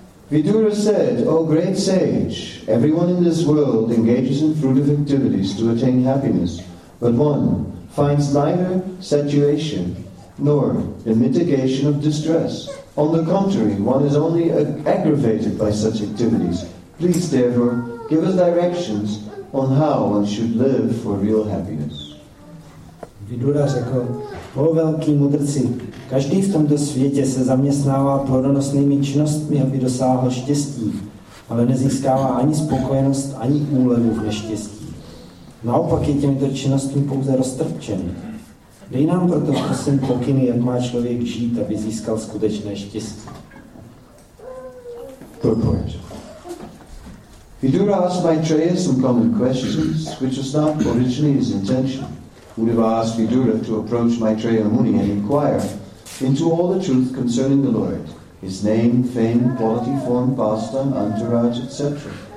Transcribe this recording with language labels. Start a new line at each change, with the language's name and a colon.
English: Vidura said, O great sage, everyone in this world engages in fruitive activities to attain happiness, but one finds neither saturation nor the mitigation of distress. On the contrary, one is only aggravated by such activities. Please, therefore, give us directions on how one should live for real happiness.
Czech: Vidura řekl, o velký mudrci, každý v tomto světě se zaměstnává plodonosnými činnostmi, aby dosáhl štěstí, ale nezískává ani spokojenost, ani úlevu v neštěstí. Naopak je těmito činnostmi pouze roztrpčen. Dej nám proto, prosím, pokyny, jak má člověk žít, aby získal skutečné štěstí.
English: Vidura asked Maitreya some common questions, which was not originally his intention. Uddhava asked Vidura to approach Maitreya Muni and inquire into all the truth concerning the Lord, his name, fame, quality, form, pastime, entourage, etc.